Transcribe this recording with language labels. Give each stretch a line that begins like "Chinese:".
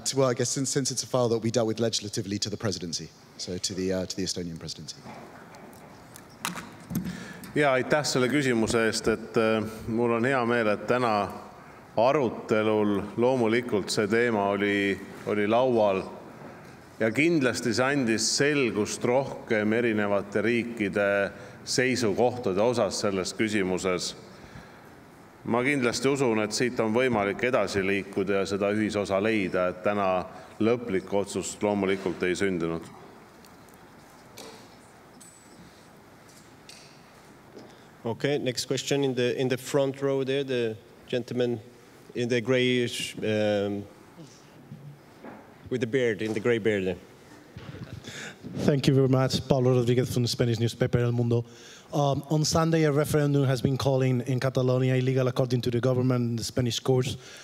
English: I guess since it's a file that we dealt with legislatively to the presidency, so to the Estonian presidency.
Estonian: Yeah, aitäh selle küsimuse eest, et mul on hea meel, et täna arutelul loomulikult see teema oli laual. Ja kindlasti see andis selgust rohkem erinevate riikide seisukohtade osas selles küsimuses. Ma kindlasti usun, et siit on võimalik edasi liikuda ja seda ühisosa leida, et täna lõplik otsust loomulikult ei sündinud.
English: Okay, next question in the front row there, the gentleman in the grayish with the beard, in the gray beard. Thank you very much. Paulo Rodriguez from the Spanish newspaper El Mundo. On Sunday, a referendum has been calling in Catalonia illegal according to the government and the Spanish courts.